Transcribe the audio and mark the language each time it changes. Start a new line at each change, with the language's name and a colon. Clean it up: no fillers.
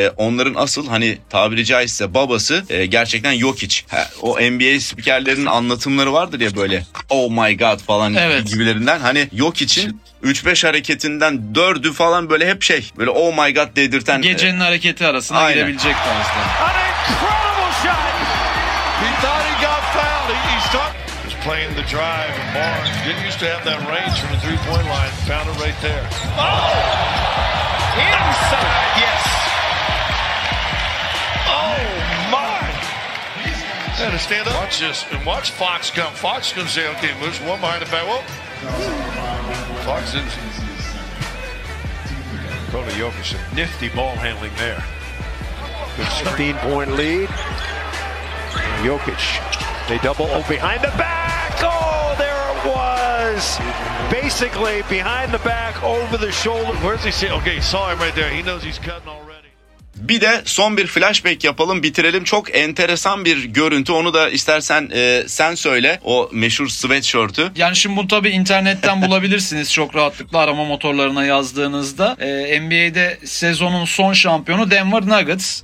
Turkish: Onların asıl hani tabiri caizse babası gerçekten Jokic. O NBA spikerlerinin anlatımları vardır ya böyle
English: oh my god
Turkish: falan gibilerinden. Hani Jokic'in 3-5 hareketinden 4'ü falan böyle hep şey böyle
English: oh my god
Turkish: dedirten. Gecenin hareketi arasına aynen. Girebilecek tarzda.
English: An incredible shot! He thought he got fouled. He stopped. He's playing the drive. Barnes didn't used to have that range from the 3-point line. Found it right there. Oh! Inside! Yes! Oh my! He had to stand up. Watch this. And watch Fox come. Fox comes in. Okay, moves one behind the back. Whoa! Fox is Nikola Jokic, nifty ball handling there. 15-point lead. Jokic, they double up behind the back. Oh, there it was. Basically behind the back, over the shoulder. Where's he sitting? Okay, saw him right there. He knows he's cutting already.
Turkish: Bir de son bir flashback yapalım, bitirelim. Çok enteresan bir görüntü. Onu da istersen sen söyle. O meşhur sweatshirt'ü. Yani şimdi bunu tabii internetten bulabilirsiniz çok rahatlıkla arama motorlarına yazdığınızda. NBA'de sezonun son şampiyonu Denver Nuggets.